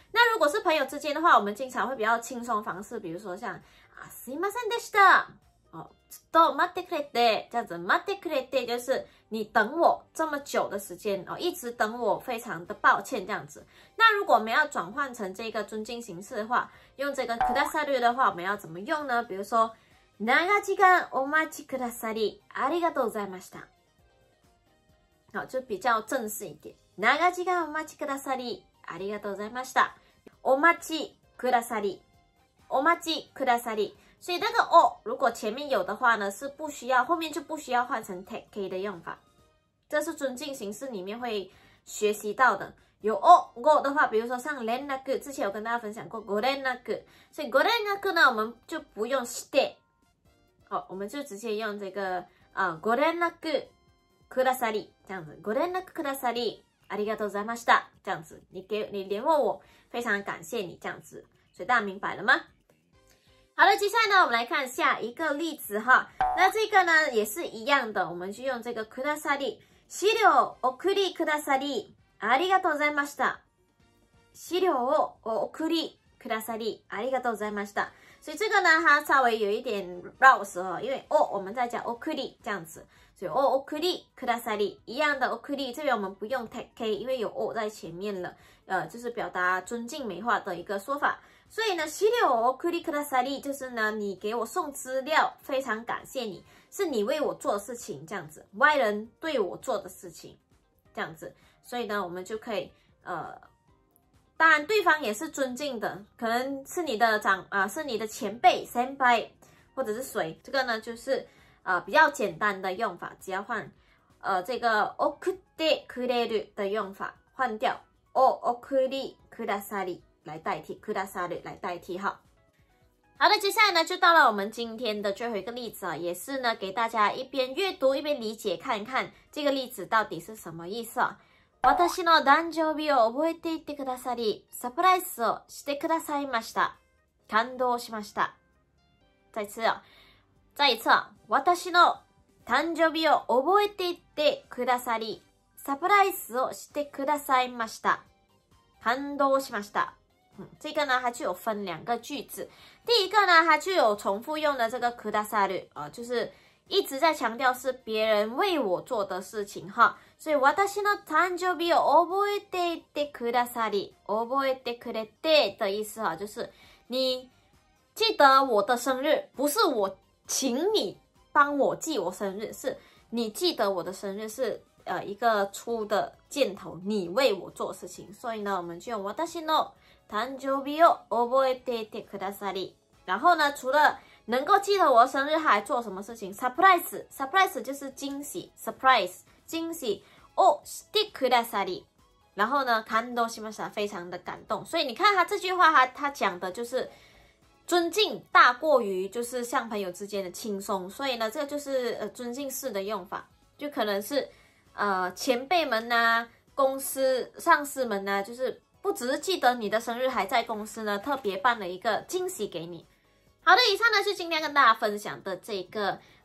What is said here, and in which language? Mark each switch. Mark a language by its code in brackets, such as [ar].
[zh] 那如果是朋友之间的话，我们经常会比较轻松方式，比如说像啊， [ja] すいませんでした， [zh] 哦， [ja] ちょっと待ってくれて， [zh] 这样子待ってくれて就是你等我这么久的时间哦，一直等我，非常的抱歉这样子。那如果我们要转换成这个尊敬形式的话，用这个くださる的话，我们要怎么用呢？比如说。 [ja] 長時間お待ちくださりありがとうございました。 [zh] 好，就比较正式一点。 [ja] 長時間お待ちくださりありがとうございました。お待ちくださり、お待ちください。 [zh] 所以那个哦，如果前面有的话呢，是不需要，后面就不需要换成 take 的用法。这是尊敬形式里面会学习到的。有哦，我的话，比如说像連絡，之前有跟大家分享过ご連絡，所以ご連絡呢，我们就不用して。好，我们就直接用这个ご連絡くださり这样子， [ja] ご連絡くださりありがとうございました [zh] 这样子，你联络我，非常感谢你这样子，所以大家明白了吗？好了，接下来呢，我们来看下一个例子哈。那这个呢也是一样的，我们就用这个くださり， [ja] 資料を送りくださりありがとうございました。資料を送りくださりありがとうございました。 [zh] 所以这个呢，它稍微有一点绕舌哦，因为哦，我们在讲 okuri 这样子，所以 o okuri kudasari 一样的 okuri， 这边我们不用 take k， 因为有 o 在前面了，就是表达尊敬美化的一个说法。所以呢， [ja] 資料を送りください， [zh] 就是呢，你给我送资料，非常感谢你，是你为我做的事情这样子，外人对我做的事情这样子，所以呢，我们就可以当然对方也是尊敬的，可能是你的是你的前辈先輩或者是谁，这个呢就是比较简单的用法，只要换这个送ってくれる的用法，换掉を送りくださり来代替，くださる来代替。好好的，接下来呢就到了我们今天的最后一个例子，也是呢给大家一边阅读一边理解，看看这个例子到底是什么意思。 [ja] 私の誕生日を覚えていてくださり、サプライズをしてくださいました。感動しました。 [zh] 再一次、 [ja] 私の誕生日を覚えていてくださり、サプライズをしてくださいました。感動しました。 [zh] 这个呢，它就有分两个句子。第一个呢，它就有重复用的这个くださる，就是一直在强调是别人为我做的事情哈。所以 [ja] 私の誕生日を覚えていてくださり， [zh] 覚えてくれて的意思哈，就是你记得我的生日，不是我请你帮我记我生日，是你记得我的生日，是一个初的箭头，你为我做事情。所以呢，我们就用 [ja] 私の誕生日を覚えていてくださり， [zh] 然后呢除了能够记得我的生日，还做什么事情 ？surprise 就是惊喜 ，surprise 惊喜。哦 ，stick kudasari， 然后呢，感动しました，非常的感动。所以你看他这句话，他讲的就是尊敬大过于就是像朋友之间的轻松。所以呢，这个就是尊敬式的用法，就可能是前辈们呐、公司上司们呐、就是不只是记得你的生日，还在公司呢特别办了一个惊喜给你。好的，以上呢是今天跟大家分享的这个